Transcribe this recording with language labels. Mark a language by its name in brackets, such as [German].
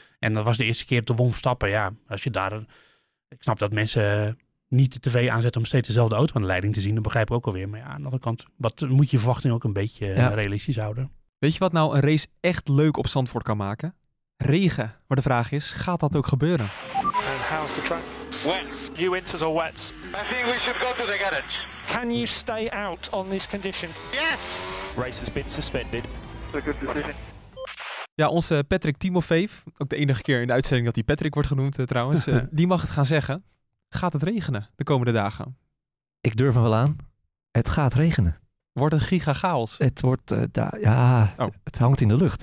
[Dutch] En dat was de eerste keer op de Wolf stappen. Ja, als je daar... Ik snap dat mensen niet de tv aanzetten om steeds dezelfde auto aan de leiding te zien. Dat begrijp ik ook alweer. Maar ja, aan de andere kant, wat moet je verwachting ook een beetje realistisch houden. Weet je wat nou een race echt leuk op Zandvoort kan maken? Regen. Maar de vraag is, gaat dat ook gebeuren? [English] And how's the track? Wet. New winters are wet. I think we should go to the garage. Can you stay out on this condition? Yes! Race has been suspended. It's a good decision. [Dutch] Ja, onze Patrick Timofeev, ook de enige keer in de uitzending dat hij Patrick wordt genoemd trouwens, die mag het gaan zeggen. Gaat het regenen de komende dagen? Ik durf hem wel aan. Het gaat regenen. Wordt een giga chaos. Het wordt, het hangt in de lucht.